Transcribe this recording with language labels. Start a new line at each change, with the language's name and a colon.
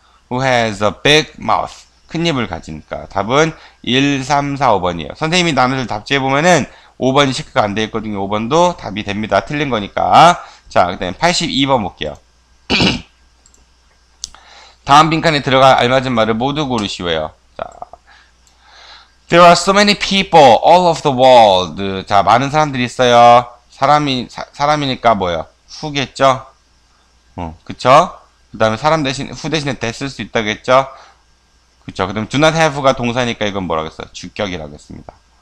English: Who has a big mouth?
Korean: 큰 입을 가지니까. 답은 1, 3, 4, 5번이에요. 선생님이 나눠서 답지에 보면은 5번이 체크가 안 되어 있거든요. 5번도 답이 됩니다. 틀린 거니까. 자, 그다음에 82번 볼게요. 다음 빈칸에 들어갈 알맞은 말을 모두 고르시고요.
English: 자, There are so many people all over the world.
Korean: 자, 많은 사람들이 있어요. 사람이니까 뭐예요? Who겠죠? 그쵸? 그 다음에 사람 대신, 후 대신에 that 쓸수 있다겠죠? 그쵸? 그 다음에
English: do not have
Korean: 가 동사니까 이건 뭐라고 했어? 주격이라고 했습니다.